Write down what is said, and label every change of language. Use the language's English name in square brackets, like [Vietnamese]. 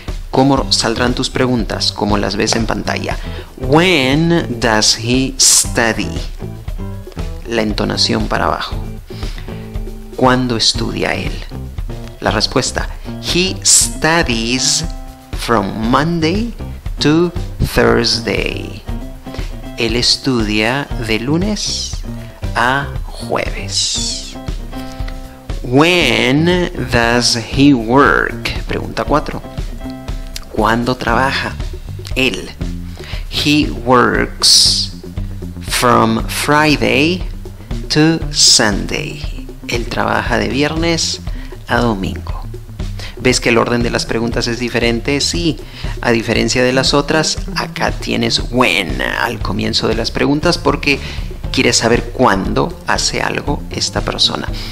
[Spanish] ¿Cómo saldrán tus preguntas? Como las ves en pantalla. [English] When does he study? [Spanish] La entonación para abajo. ¿Cuándo estudia él? La respuesta. [English] He studies from Monday to Thursday. [Spanish] Él estudia de lunes a jueves. [English] When does he work? [Spanish] Pregunta 4. ¿Cuándo trabaja él? [English] He works from Friday to Sunday. [Spanish] Él trabaja de viernes a domingo. ¿Ves que el orden de las preguntas es diferente? Sí, a diferencia de las otras, acá tienes when al comienzo de las preguntas porque quieres saber cuándo hace algo esta persona.